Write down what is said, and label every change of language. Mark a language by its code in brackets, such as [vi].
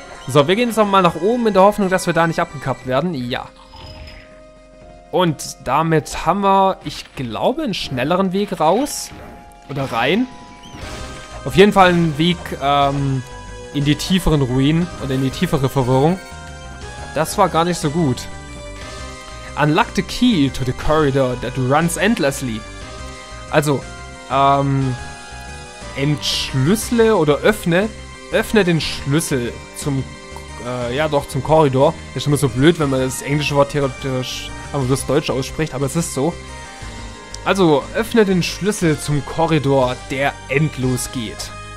[de] So, wir gehen jetzt nochmal nach oben in der Hoffnung, dass wir da nicht abgekappt werden. Ja. Und damit haben wir, ich glaube, einen schnelleren Weg raus. Oder rein. Auf jeden Fall einen Weg in die tieferen Ruinen und in die tiefere Verwirrung. Das war gar nicht so gut. [en] Unlock the key to the corridor that runs endlessly. [de] Also, entschlüssele oder öffne den Schlüssel zum, zum Korridor. Das ist immer so blöd, wenn man das englische Wort theoretisch, aber das Deutsche ausspricht, aber es ist so. Also, öffne den Schlüssel zum Korridor, der endlos geht.